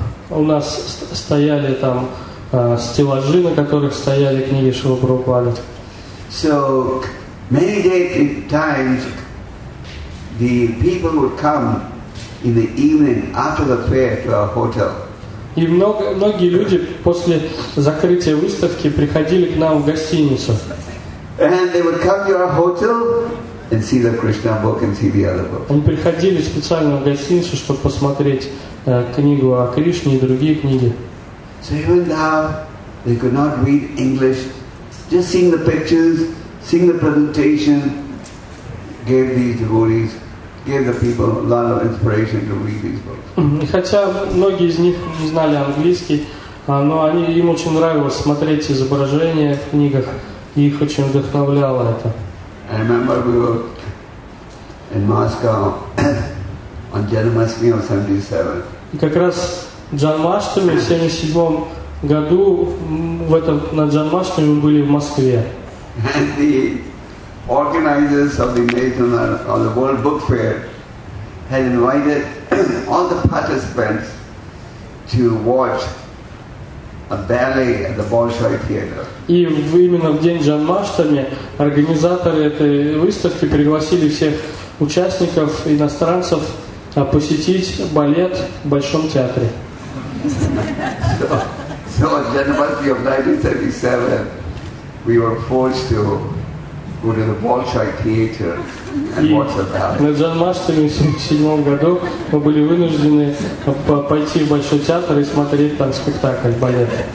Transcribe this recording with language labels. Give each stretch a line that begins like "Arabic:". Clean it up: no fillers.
Russian: У нас стояли там стеллажи, на которых стояли книги Шрилы Прабхупады.
English: So many times the people would come in the evening after the fair to our hotel.
Russian: И многие люди после закрытия выставки приходили к нам в гостиницу.
English: And they would come to our hotel and see the Krishna book and see the other books.
Russian: Они приходили специально в гостиницу, чтобы посмотреть книгу о Кришне и другие книги.
English: So even now they could not read English. Just seeing the pictures, seeing the presentation, gave these devotees, gave the people a lot of inspiration to read these books.
Russian: Хотя многие из них не знали английский, но они им очень нравилось смотреть изображения в книгах, и их очень вдохновляло это.
English: I remember we were in Moscow on Janmashtami of 77.
Russian: И как раз Джанмаштами в 77-м году в этом на Джанмаштами мы были в Москве.
English: And the organizers of the national or the World Book Fair had invited all the participants to watch a ballet at the Bolshoi Theatre.
Russian: И именно в день Джанмаштами организаторы этой выставки пригласили всех участников иностранцев посетить балет в Большом театре.
English: So on January of 1977, we were forced to go to the Bolshoi Theater and watch a ballet.
Russian: На Джанмаштами в 77 году мы были вынуждены пойти в Большой театр и смотреть там спектакль балет.